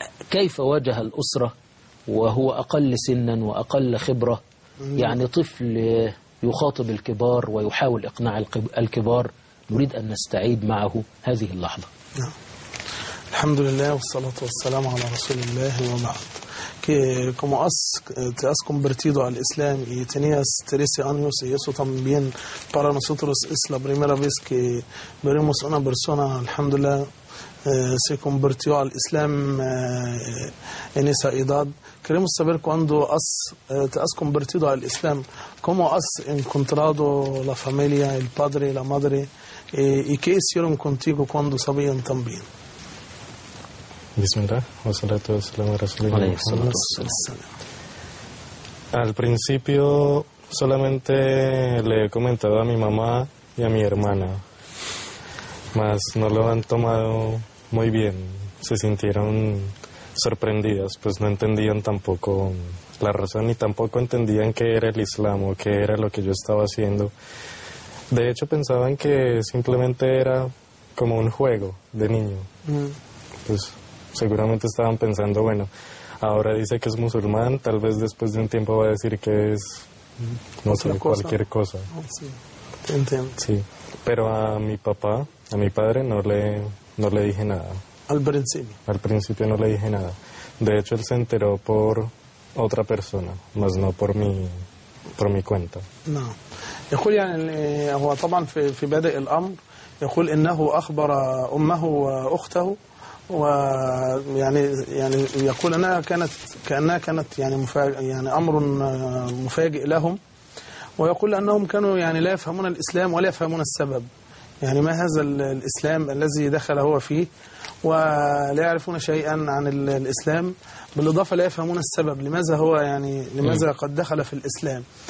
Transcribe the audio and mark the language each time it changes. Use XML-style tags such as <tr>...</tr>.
<ar>كيف واجه الأسرة وهو أقل سنا وأقل خبرة؟ يعني طفل يخاطب الكبار ويحاول إقناع الكبار، نريد أن نستعيد معه هذه اللحظة. الحمد لله والصلاة والسلام على رسول الله وبعد.</ar> <es>Como has convertido al Islam y tenías 13 años, y eso también para nosotros es la primera vez que veremos una persona, alhamdulillah, se convirtió al Islam en esa edad. Queremos saber cuando te has convertido al Islam, cómo has encontrado la familia, el padre, la madre, y qué hicieron contigo cuando sabían también.</es> <ar>بسم الله والصلاة والسلام على رسول الله.</ar> <es>Al principio solamente le he comentado a mi mamá y a mi hermana, mas no lo han tomado muy bien. Se sintieron sorprendidas, pues no entendían tampoco la razón y tampoco entendían qué era el Islam o qué era lo que yo estaba haciendo. De hecho, pensaban que simplemente era como un juego de niño. Pues seguramente estaban pensando, bueno, ahora dice que es musulmán, tal vez después de un tiempo va a decir que es, no sé, cualquier cosa. Sí, entiendo. Sí, pero a mi papá, a mi padre, no le dije nada. Al principio. Al principio no le dije nada. De hecho, él se enteró por otra persona, más no por mi cuenta. No.</es> <ar>Y Julia, هو طبعا في بادئ الأمر يقول إنه أخبر أمه وأخته، ويعني يقول أنها كانت يعني أمر مفاجئ لهم، ويقول أنهم كانوا يعني لا يفهمون الإسلام ولا يفهمون السبب، يعني ما هذا الإسلام الذي دخل هو فيه ولا يعرفون شيئا عن الإسلام، بالإضافة لا يفهمون السبب لماذا هو يعني لماذا قد دخل في الإسلام،</ar>